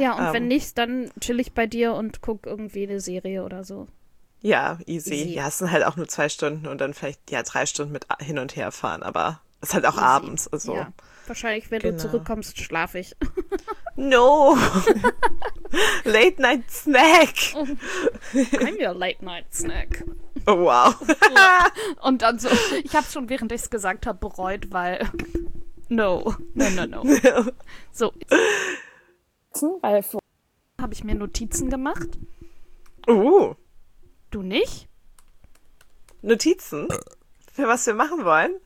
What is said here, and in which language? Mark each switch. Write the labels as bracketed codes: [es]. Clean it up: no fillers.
[de] Ja, und wenn nicht, dann chill ich bei dir und guck irgendwie eine Serie oder so. Ja, easy. Ja, es sind halt auch nur 2 Stunden und dann vielleicht, 3 Stunden mit hin und her fahren, aber es ist halt auch easy. Abends, also... Ja. Wahrscheinlich, wenn du zurückkommst, schlafe ich. [en] No! Late Night Snack! I'm your Late Night Snack. Oh, wow. [de] Und dann so, ich habe es schon, während ich es gesagt habe, bereut, weil. No. So. Weil vorher habe ich mir Notizen gemacht. Du nicht? Notizen? Für was wir machen wollen?